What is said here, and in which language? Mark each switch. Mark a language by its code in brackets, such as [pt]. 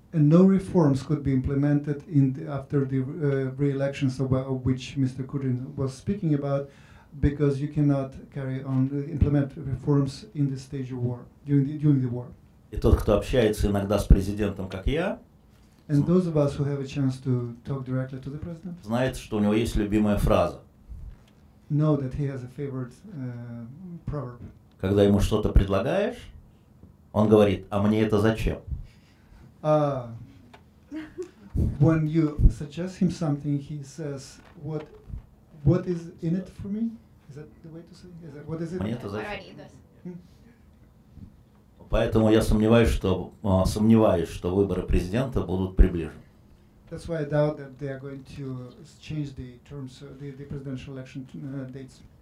[en] And no reforms could be implemented after the re-elections of which Mr. Kudrin was speaking about, because you cannot carry on implement reforms in this stage of war during the war. [ru] И тот, кто общается иногда с президентом, как я, [en] And those of us who have a chance to talk directly to the president? [ru] Знает, что у него есть любимая фраза. [en] Know that he has a favorite proverb. [ru] Когда ему что-то предлагаешь, он говорит: а мне это зачем? [en] When you suggest him something, he says, what is in it for me? Is that the way to say? Is that, what is it? [ru] Мне это зачем? Поэтому я сомневаюсь, что выборы президента будут приближены. [en] That's why I doubt that they are going to change the terms, the presidential election dates.